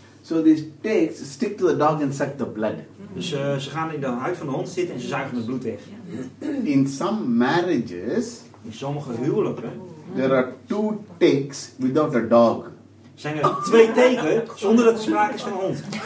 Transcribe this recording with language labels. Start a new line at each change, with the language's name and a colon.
English: So these ticks stick to the dog and suck the blood.
Dutch: Dus ze gaan in de huid van de hond zitten en ze zuigen het bloed weg.
English: In some marriages,
Dutch: in sommige huwelijken,
English: there are two ticks without a dog.
Dutch: Zijn er twee teken zonder dat er sprake is van een hond?